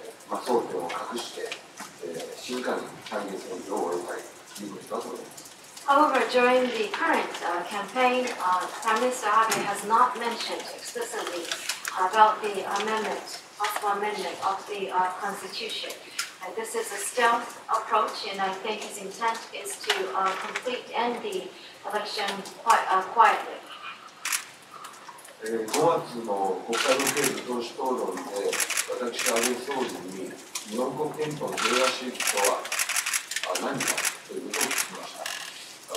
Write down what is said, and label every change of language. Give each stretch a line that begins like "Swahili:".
Japanese: まあ、争点を隠して、静かに参議院選挙を終えたいということだと思います。
English: However, during the current campaign, Prime Minister Abe has not mentioned explicitly about the amendment, possible amendment of the Constitution. This is a stealth approach, and I think his intent is to complete end the election quietly.
Japanese: 5月の国会の政治党首討論で、私安倍総理に日本国憲法の正しいことは何かということを聞きました。